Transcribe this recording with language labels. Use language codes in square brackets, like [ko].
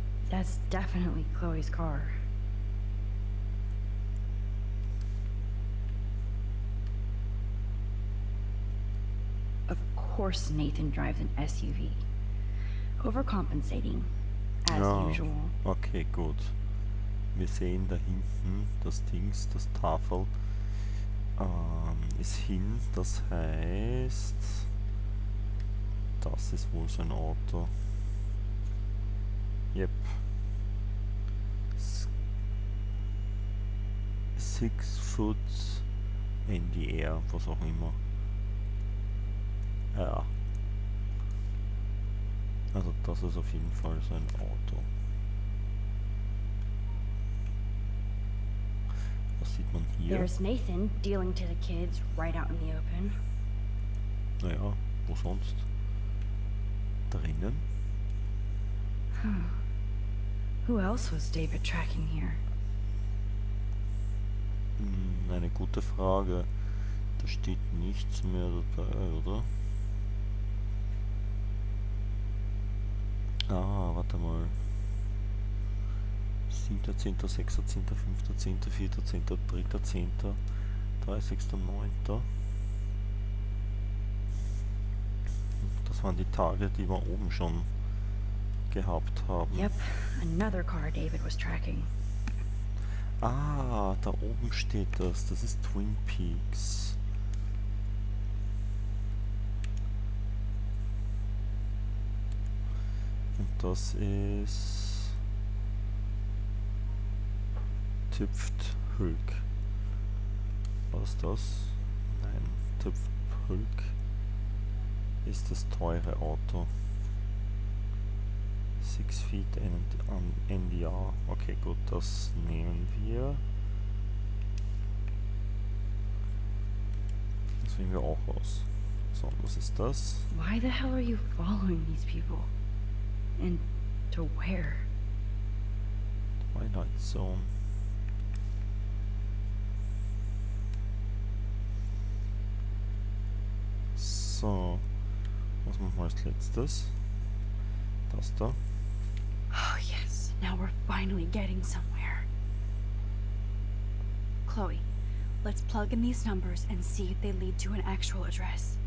[en] That's definitely Chloe's car. Of course Nathan drives an SUV. Overcompensating, as usual. [de] Okay, gut. Wir sehen da hinten das Dings, das Tafel ist hin. Das heißt, das ist wohl sein Auto. [en] Yep. 6 Foot in the air, [de] was auch immer. Ja. Also das ist auf jeden Fall so ein Auto. Was sieht man hier? [en] There's Nathan dealing to the kids right out in the open. [de] Naja, wo sonst? Drinnen? Hm. [en] Who else was David tracking here? [de] Eine gute Frage. Da steht nichts mehr dabei, oder? Ah, warte mal. 7.10., 6.10., 5.10., 4.10., 3.10., 30.09. Das waren die Tage, die wir oben schon gehabt haben. [en] Yep, another car David was tracking. [de] Ah, da oben steht das. Das ist Twin Peaks. Und das ist Tüpft Hulk. Was ist das? Nein, Tüpft Hulk ist das teure Auto. 6 Feet an NDR. Okay, gut, das nehmen wir. Das nehmen wir auch aus. So, was ist das? [en] Why the hell are you following these people? And to where? Twilight Zone. [de] So, was machen wir als letztes? Das da. [en] Oh yes, now we're finally getting somewhere. Chloe, let's plug in these numbers and see if they lead to an actual address.